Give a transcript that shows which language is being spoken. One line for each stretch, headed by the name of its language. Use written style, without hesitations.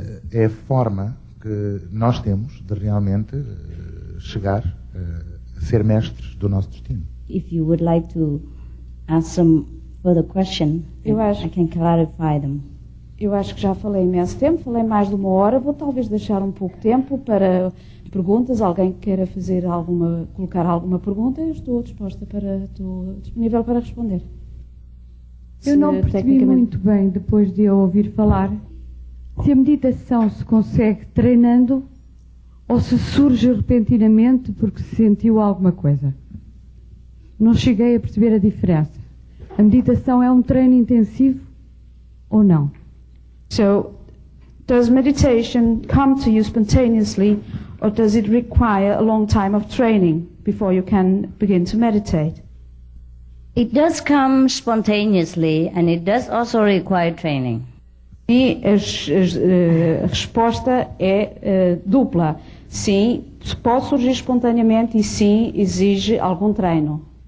Portuguese: É a forma que nós temos de realmente chegar a ser mestres do nosso destino.
English: If you would like to ask some further question, I can clarify them.
Portuguese: Eu acho que já falei imenso tempo, falei mais de uma hora, vou talvez deixar um pouco de tempo para perguntas, alguém que queira fazer alguma, colocar alguma pergunta, eu estou disposta para, estou disponível para responder. Eu não percebi muito bem, depois de eu ouvir falar, se a meditação se consegue treinando ou se surge repentinamente porque se sentiu alguma coisa. Não cheguei a perceber a diferença. A meditação é um treino intensivo ou não?
English: So, does meditation come to you spontaneously or does it require a long time of training before you can begin to meditate? It does come spontaneously and it does also require training.
Portuguese: E a resposta é dupla. Sim, pode surgir espontaneamente e sim, exige algum treino.